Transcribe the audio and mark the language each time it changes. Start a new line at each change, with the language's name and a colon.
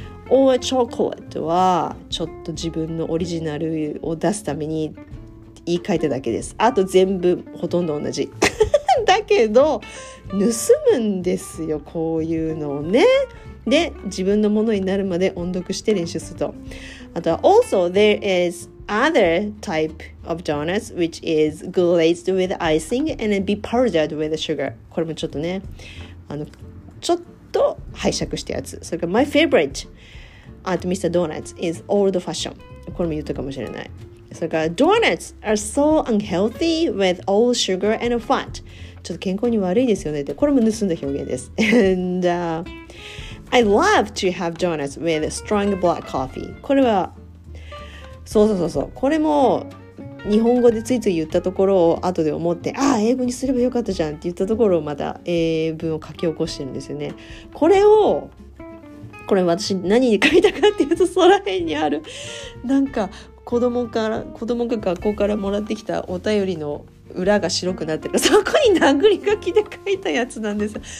English: Or chocolate
Japanese: はちょっと自分のオリジナルを出すために言い換えただけです。あと全部ほとんど同じだけど盗むんですよこういうのをね。で自分のものになるまで音読して練習すると。あとは
English: Also there is other type of donuts which is glazed with icing and then be powdered with sugar.
Japanese: これもちょっとねちょっと拝借したやつ。それから
English: My favorite at Mr. Donuts is old fashion.
Japanese: これも言ったかもしれない。それから
English: Donuts are so unhealthy with all sugar and fat.
Japanese: ちょっと健康に悪いですよねって。これも盗んだ表現です。
English: And I love to have donuts with strong black coffee.
Japanese: これはそう。これも日本語でついつい言ったところを後で思って、ああ、英語にすればよかったじゃんって言ったところをまた英文を書き起こしてるんですよね。これ私何に書いたかっていうと、そら辺にある。なんか子供が学校からもらってきたお便りの裏が白くなってる。そこに殴り書きで書いたやつなんですよ。